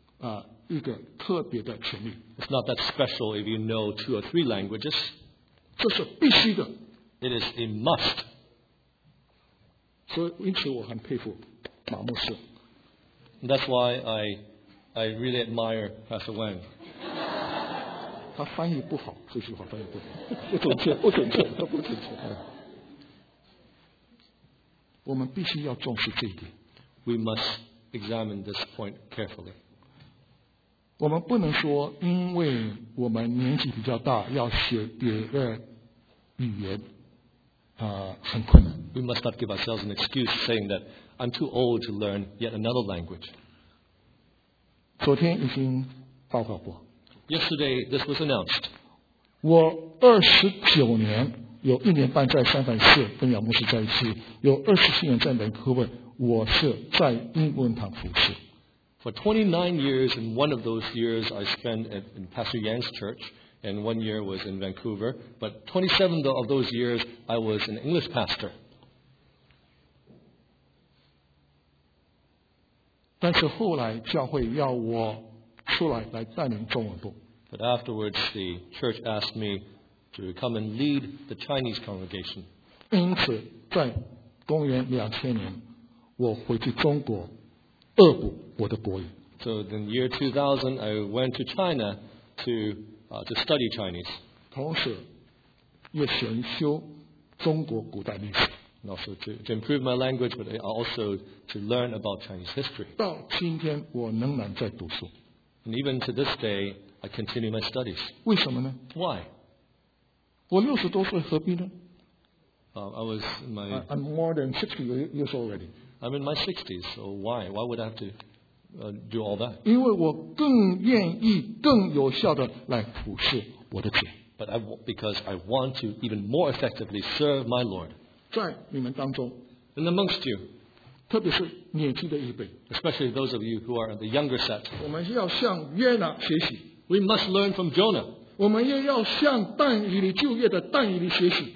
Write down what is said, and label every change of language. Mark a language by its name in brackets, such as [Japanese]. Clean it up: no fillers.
[Chinese] 能精通两三种的语言不算是一个特别的权利。 [English] It's not that special if you know two or three languages. [Chinese] 这是必须的。 [English] It is a must. [Chinese] 所以因此我很佩服马牧师。 [English] That's why I really admire Pastor Wang. [Chinese] 他翻译不好，这句话翻译不好，不准确，不准确，都不准确。我们必须要重视这一点。 [English] We must examine this point carefully. [Chinese] 我们不能说因为我们年纪比较大，要学别的语言。很困难。 [English] We must not give ourselves an excuse saying that I'm too old to learn yet another language. [Chinese] 昨天已经报告过。 [English] Yesterday, this was announced. [Chinese] 我29年，有一年半在三藩市跟杨牧师在一起，有27年在蒙特利尔，我是在英文堂服事。 [English] For 29 years, and one of those years I spent in Pastor Yang's church,And 1 year was in Vancouver, but 27 of those years I was an English pastor. [Chinese] 但是后来教会要我出来来带领中文部。 [English] But afterwards, the church asked me to come and lead the Chinese congregation. [Chinese] 因此，在公元2000年，我回去中国，恶补我的国语。 [English] So in the year 2000, I went to China to study Chinese. [Chinese] 同时也选修中国古代历史。 [English] And also to improve my language, but also to learn about Chinese history. [Chinese] 到今天我仍然在读书。 [English] And even to this day, I continue my studies. [Chinese] 为什么呢？ [English] Why? [Chinese] 我六十多岁何必呢？ [English] I'm more than 60 years already. I'm in my 60s, so why? Why would I have to... do all that. [Chinese] 因为我更愿意更有效地来服侍我的主。 [English] But because I want to even more effectively serve my Lord. [Chinese] 在你们当中。 [English] And amongst you. [Chinese] 特别是年轻的一辈。 [English] Especially those of you who are the younger set. [Chinese] 我们要向约拿学习。 [English] We must learn from Jonah. [Chinese] 我们也要向但以理旧约的但以理学习。